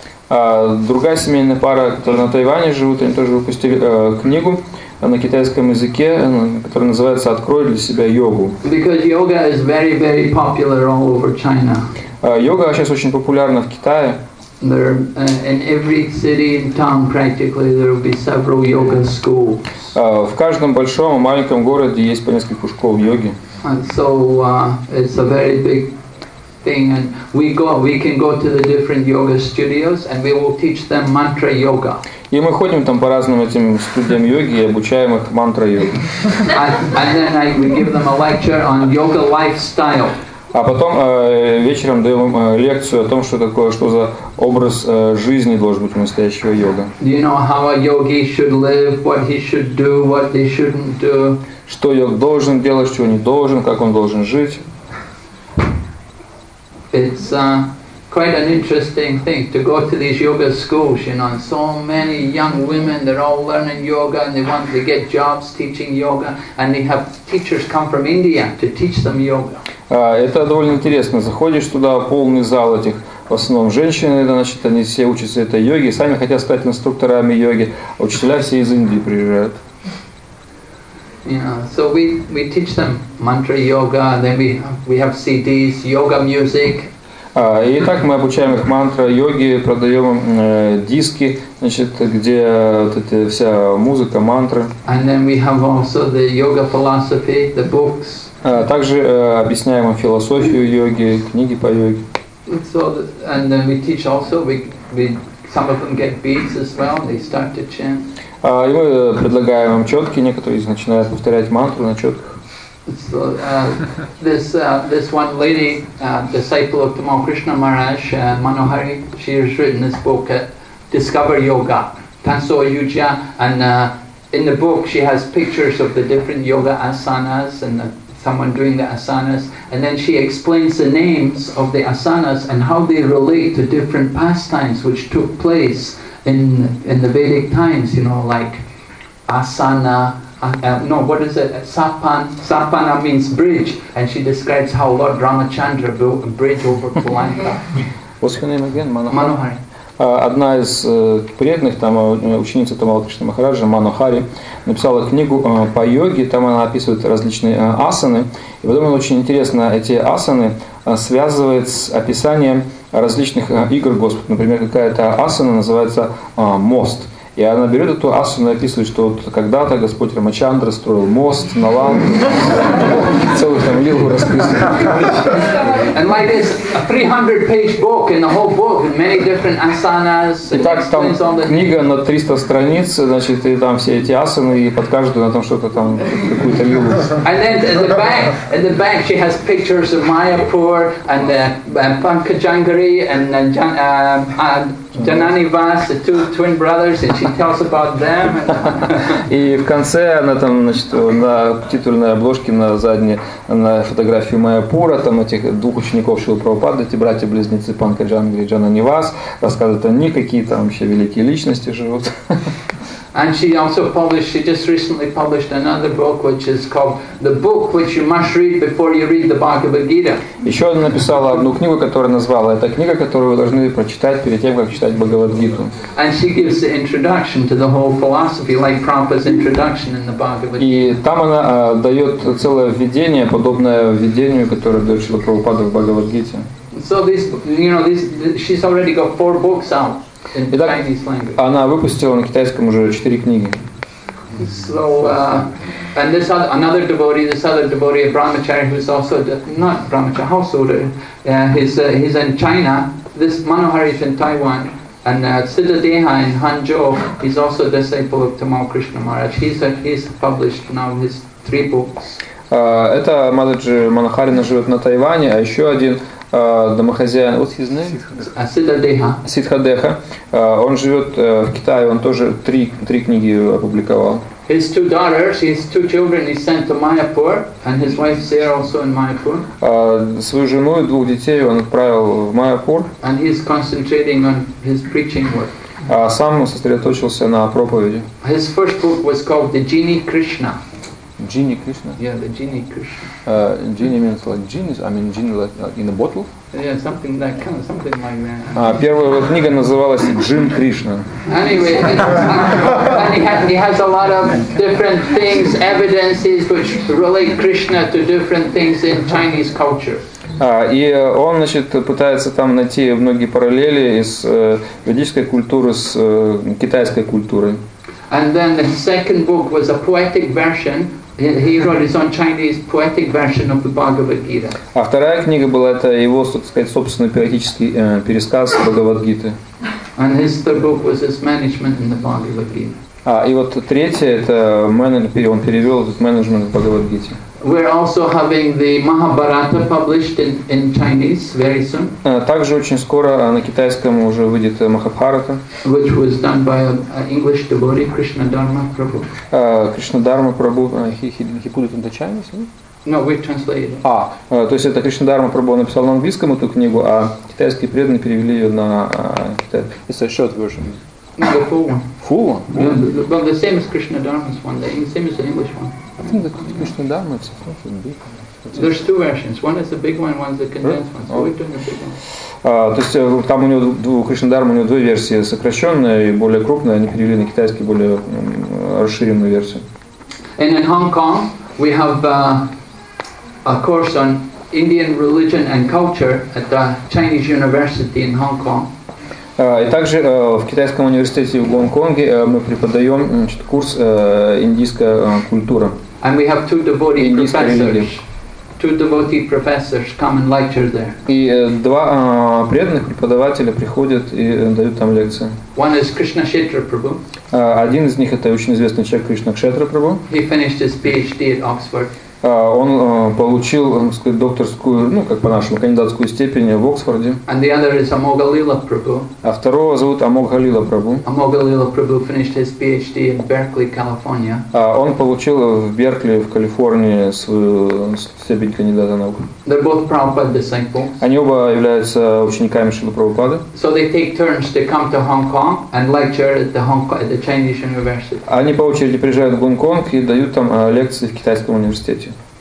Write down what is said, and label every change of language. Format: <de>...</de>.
<ru>Другая семейная пара, которая на Тайване живут, они тоже выпустили книгу на китайском языке, которая называется «Открой для себя йогу».</ru> <en>Because yoga is very, very popular all over China.</en> <ru>Йога сейчас очень популярна в Китае.</ru> <en>There, in every city and town, practically, there will be several yoga schools.</en> <ru>В каждом большом и маленьком городе есть по несколько школ йоги.</ru> <en>And so it's a very big thing, and we can go to the different yoga studios, and we will teach them mantra yoga.</en> <ru>И мы ходим там по разным этим студиям йоги и обучаем их мантра йоги.</ru> <en>And then we give them a lecture on yoga lifestyle.</en> <ru>А потом вечером даем лекцию о том, что такое, что за образ жизни должен быть у настоящего йога.</ru> <en>You know how a yogi should live, what he should do, what they shouldn't do.</en> <ru>Что йог должен делать, что не должен, как он должен жить.</ru> <en>It's quite an interesting thing to go to these yoga schools, you know, so many young women, they're all learning yoga and they want to get jobs teaching yoga, and they have teachers come from India to teach them yoga.</en> <ru>Это довольно интересно. Заходишь туда, полный зал этих, в основном женщины, значит, они все учатся этой йоге, сами хотят стать инструкторами йоги, а учителя все из Индии приезжают.</ru> <en>Yeah, so we teach them mantra yoga, then we have CDs, yoga music.</en> <ru>И так мы обучаем их мантра йоги, продаем диски, значит, где вот эта вся музыка, мантры.</ru> <en>And then we have also the yoga philosophy, the books.</en> <ru>Также объясняем им философию йоги, книги по йоге.</ru> <en>So, and then we teach also, we some of them get beads as well, they start to chant.</en> <ru>И мы предлагаем им четки, некоторые из них начинают повторять мантру на четках.</ru> <en>So this one lady, disciple of Tamal Krishna Maharaj, Manohari, she has written this book, Discover Yoga, Tanso Yuja, and in the book she has pictures of the different yoga asanas and someone doing the asanas, and then she explains the names of the asanas and how they relate to different pastimes which took place in the Vedic times, you know, like asana. Sapana means bridge, and she describes how Lord Ramachandra built a bridge over Kulanka. What's her name again? Manohari.</en> <ru>Одна из преданных, там ученица Тамала Кришна Махараджа, Манохари, написала книгу по йоге, там она описывает различные асаны. И потом она очень интересно эти асаны связывает с описанием различных игр Господа. Например, какая-то асана называется мост. И она берет эту асану и описывает, что вот когда-то Господь Рамачандра строил мост на Ланку, целую там лилу расписывает. И так там книга на 300 страниц, значит, и там все эти асаны, и под каждую на том что-то там, какую-то лилу.</ru> <en>Janani Vas, the two twin brothers, and she tells about them.</en> <ru>И в конце она там, значит, на титульной обложке на задней на фотографии Майяпура там этих двух учеников Шрилы Прабхупады, эти братья-близнецы Панкаджангри и Джанани Вас, рассказывают они какие там вообще великие личности живут.</ru> <en>And she also published, she just recently published another book, which is called The Book Which You Must Read Before You Read the Bhagavad Gita.</en> <ru>Еще она написала одну книгу, которая назвала «Это книга, которую вы должны прочитать перед тем, как читать Бхагавад-гиту».</ru> <en>And she gives the introduction to the whole philosophy, like Prabhupada's introduction in the Bhagavad-gita.</en> <ru>И там она дает целое введение, подобное введению, которое дает Шрила Прабхупада в Бхагавад-гите.</ru> <en>So this, you know, this, she's already got four books out.</en> <ru>Итак, она выпустила на китайском уже 4 книги.</ru> <en>So, and this other, another devotee, this other devotee, Brahmachari, who's also not Brahmachari, householder, he's in China. This Manohari is in Taiwan, and Siddhadeha in Hangzhou. He's also a disciple of Tamal Krishna Maharaj. He's published now his 3 books.</en> <ru>Это Мададжи Манохарина живет на Тайване, а еще один. Домохозяин,</ru> <en>what's his name?</en> <ru>Сиддхадеха. Сиддхадеха. Он живет в Китае, он тоже 3 книги опубликовал.</ru> <en>His two daughters, his two children he sent to Mayapur, and his wife there also in Mayapur.</en> <ru>Свою жену и двух детей он отправил в Майяпур.</ru> <en>And he's concentrating on his preaching work.</en> <ru>Сам он сосредоточился на проповеди.</ru> <en>His first book was called The Genie Krishna. Genie Krishna? Yeah, the Genie Krishna. Genie means like genius, I mean genie like in a bottle? Yeah, something like, kind of something like that.</en> <ru>Первая его книга называлась Джин Кришна.</ru> <en>Anyway, and he has a lot of different things, evidences which relate Krishna to different things in Chinese culture.</en> <ru>И он, значит, пытается там найти многие параллели из ведической культуры с китайской культурой.</ru> <en>And then the second book was a poetic version. He wrote his own Chinese poetic version of the Bhagavad Gita.</en> <ru>А вторая книга была это его, так сказать, собственный поэтический пересказ Бхагавад Гиты.</ru> <en>And his third book was his management in the Bhagavad Gita.</en> <ru>И вот третье это он перевел этот менеджмент в Бхагавад Гите.</ru> <en>We're also having the Mahabharata published in Chinese very soon.</en> <ru>Также очень скоро на китайском уже выйдет Махабхарата.</ru> <en>Which was done by an English devotee, Krishna Dharma Prabhu. Krishna Dharma Prabhu, he put it into Chinese? No, we translated.</en> <ru>То есть это Krishna Dharma Prabhu написал на английском эту книгу, а китайские преданные перевели ее на китайский.</ru> <en>It's a short version. No, the full one. Full one? Well, the same as Krishna Dharma's one, the same as the English one. I think the Krishna Dharma is a full one. There's two versions. One is the big one, one is the condensed one. So we're doing the big one.</en> <ru>То есть там у него Кришнадарма, у него 2 версии, сокращенная и более крупная, они перевели на китайский более расширенную версию.</ru> <en>And in Hong Kong, we have a course on Indian religion and culture at the Chinese University in Hong Kong.</en> <ru>И также в китайском университете в Гонконге мы преподаем курс индийская культура.</ru> <en>And we have two devotee professors. Two devotee professors come and lecture there.</en> <ru>И два преданных преподавателя приходят и дают там лекции.</ru> <en>One is Krishna Kshetra Prabhu.</en> <ru>Один из них это очень известный человек Кришна Кшетра Прабху.</ru> <en>He finished his PhD at Oxford.</en> <ru>Он получил, так сказать, докторскую, ну, как по-нашему, кандидатскую степень в Оксфорде.</ru> <en>And the other is Amoghalila Prabhu.</en> <ru>А второго зовут Amoghalila Prabhu.</ru> <en>Amoghalila Prabhu finished his PhD in Berkeley, California.</en> <ru>Он получил в Беркли, в Калифорнии, свою степень кандидата наук.</ru> <en>They're both Prabhupada disciples.</en> <ru>Они оба являются учениками Шрилы Прабхупады.</ru> <en>So they take turns to come to Hong Kong and lecture at the Hong Kong, at the Chinese University.</en> <ru>Они по очереди приезжают в Гонконг и дают там лекции в китайском университете.</ru>